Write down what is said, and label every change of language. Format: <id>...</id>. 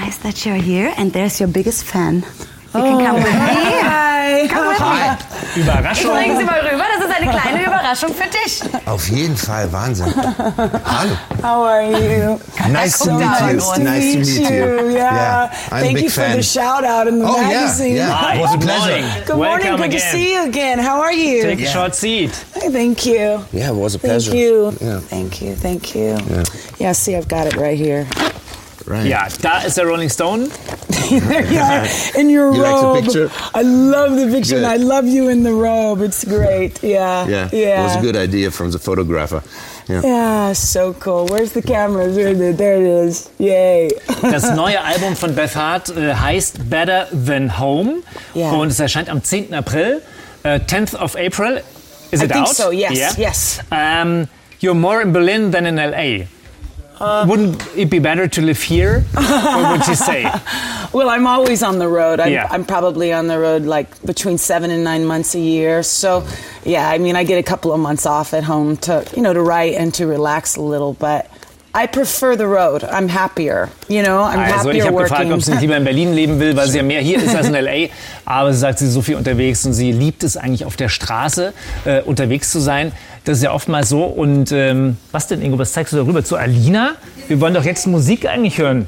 <en>Nice that you're here and there's your biggest fan. Come with me.</en> <de>Überraschung. Ich bringe sie mal rüber. Das ist eine kleine Überraschung für dich. Auf jeden Fall. Wahnsinn. Hallo.</de> <en>How are you? Nice to meet you. Yeah. Thank you for the shout out in the magazine. Oh, yeah. It was a pleasure. Good morning. Good to see you again. How are you? Take a short seat. Thank you. Yeah, it was a pleasure. Thank you. Thank you. Yeah, see, I've got it right here. Right. Yeah, that is a Rolling Stone. There you are, in your robe. You like the picture? I love the picture, good. And I love you in the robe. It's great, yeah. It was a good idea from the photographer. Yeah, so cool. Where's the camera? There it is. Yay.</en> <de>Das neue Album von Bess Hart heißt Better Than Home. Yeah. Und es erscheint am 10. April,</de> <en>10th of April. Is it out? I think so, yes, yes. You're more in Berlin than in L.A. Wouldn't it be better to live here? What would you say? Well, I'm always on the road. I'm probably on the road like between 7 and 9 months a year. So, yeah, I mean, I get a couple of months off at home to, you know, to write and to relax a little. But I prefer the road. I'm happier, you know, I'm also happier working.</en> <de>Also, ich habe gefragt, ob sie lieber in Berlin leben will, weil sie ja mehr hier ist als in L.A. Aber sie sagt, sie ist so viel unterwegs und sie liebt es eigentlich, auf der Straße unterwegs zu sein. Das ist ja oftmals so. Und was denn, Ingo, was zeigst du darüber zu Alina? Wir wollen doch jetzt Musik eigentlich hören.</de>